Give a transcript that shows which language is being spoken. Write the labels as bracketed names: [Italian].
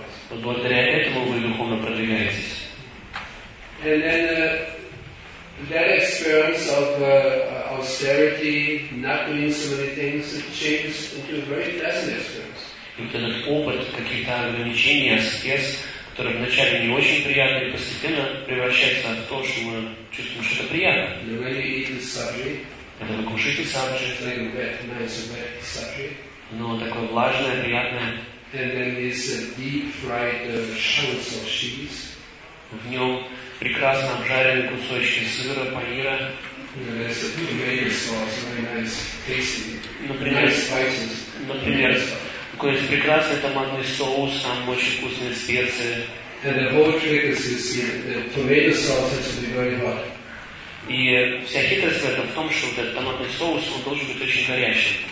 [Russian] Вот благодаря этому вы духовно продвигаетесь. [English] And then that experience of austerity, not doing so many things, it changes into a very pleasant experience. [Russian] И вот этот опыт, какие-то ограничения, аскез, которые вначале не очень приятны, постепенно превращаются в то, что мы чувствуем, что это приятно. [English] When you eat the sabji, [Russian] когда вы кушаете сабжи, [English] it's like a wet, nice, wet sabji. [Russian] Но такое влажное, приятное. [English] And then this deep-fried shallots of cheese. [Russian] В нем прекрасно обжаренные кусочки сыра, панира. Например, какой-нибудь прекрасный томатный соус, там очень вкусные специи. [English] and the whole trick is this, the tomato sauce has to be very hot. [Russian] И вся хитрость это в том, что этот томатный соус он должен быть очень горячим.